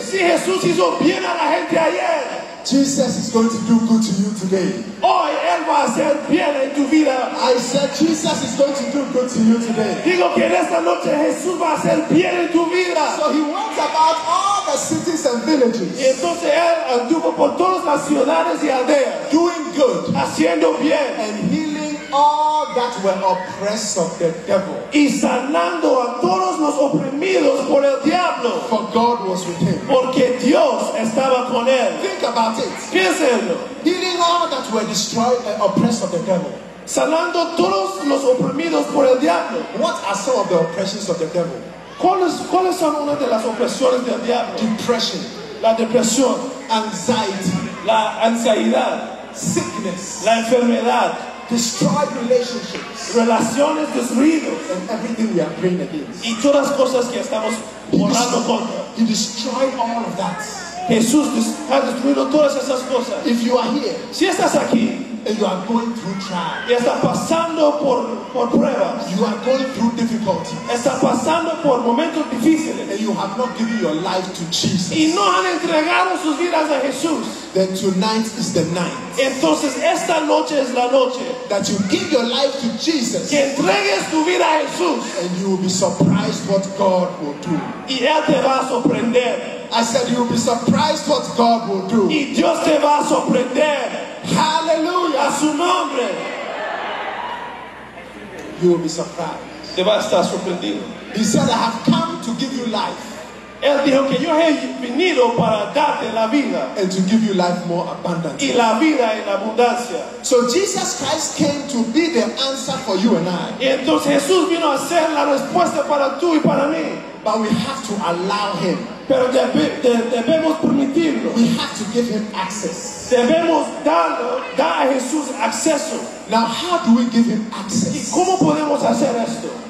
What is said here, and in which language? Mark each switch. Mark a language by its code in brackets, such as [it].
[es] si Jesús hizo bien a la gente ayer, [en] Jesus is going to do good to you today. [es] Hoy él va a hacer bien en tu vida. [en] I said Jesus is going to do good to you today. [es] Digo que en esta noche Jesús va a hacer bien en tu vida. [en] So he went about all the cities and villages. [es] Y entonces él anduvo por todas las ciudades y aldeas. [en] Doing good. [es] Haciendo bien. [en] And healing all that were oppressed of the devil. [es] Y sanando a todos los oprimidos por el diablo. [en] For God was with him. [es] Porque Dios estaba con él. [en] Think about it. [es] Piénsenlo. [en] Healing all that were destroyed and oppressed of the devil. [es] Sanando todos los oprimidos por el diablo. [en] What are some of the oppressions of the devil? [es] ¿Cuáles son una de las opresiones del diablo? [en] Depression. [es] La depresión. [en] Anxiety. [es] La ansiedad. [en] Sickness. [es] La enfermedad. [en] Destroyed relationships. [es] Relaciones destruidas. [en] And everything we are praying against. [es] Y todas las cosas que estamos orando contra. [en] He destroyed all of that. [es] Jesús ha destruido todas esas cosas. [en] If you are here, [es] si estás aquí, [en] and you are going through trials, [es] y estás pasando por pruebas, [en] you are going through difficulties, [es] estás pasando por momentos difíciles, [en] and you have not given your life to Jesus, [es] y no han entregado sus vidas a Jesús, [en] then tonight is the night. [es] Entonces esta noche es la noche [en] that you give your life to Jesus, [es] que entregues tu vida a Jesús, [en] and you will be surprised what God will do. [es] Y él te va a sorprender. [en] I said you'll be surprised what God will do. [es] Y Dios te va a sorprender. [en] Hallelujah. [es] A su nombre. [en] You'll be surprised. [es] Te va a estar sorprendido. [en] He said, I have come to give you life. [es] Él dijo que yo he venido para darte la vida. [en] And to give you life more abundantly. [es] Y la vida en abundancia. [en] So Jesus Christ came to be the answer for you and I. [es] Y entonces Jesús vino a ser la respuesta para tú y para mí. [en] But we have to allow him. [es] Pero debemos permitirlo. [en] We have to give him access. [es] Debemos dar a Jesús acceso. [en] Now, how do we give him access? [es] ¿Y cómo podemos hacer esto?